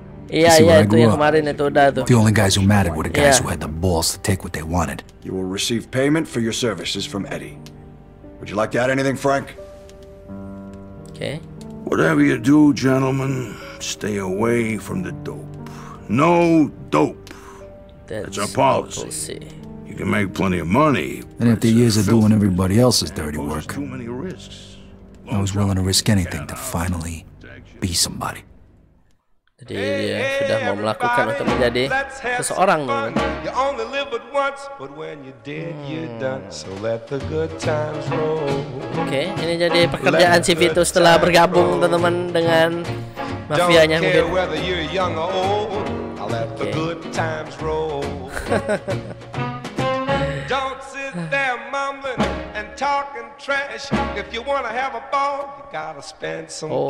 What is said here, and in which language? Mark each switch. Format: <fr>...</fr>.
<id>Iya, iya itu yang kemarin itu udah tuh.</id> <en>The only guys who mattered were the guys who had the balls to take what they wanted. You will receive payment for your services from Eddie. Would you like to add anything, Frank? Okay. Whatever you do, gentlemen, stay away from the dope. No dope. That's our policy. You can make plenty of money. And after years of doing everybody else's dirty work, too many risks. I was willing to risk anything to finally be somebody.</en> <id>Jadi dia sudah mau melakukan untuk menjadi seseorang dong.</id> <en>You only live but once, but when you did, you done. So let the good times roll.</en> <id>Oke, okay, ini jadi pekerjaan si Vito setelah bergabung teman-teman dengan mafianya mungkin.</id> <en>Don't care whether you're young or old, I'll let the good times roll. Don't sit there mumbling and talking trash. If you wanna have a ball, you gotta spend some cash.</en>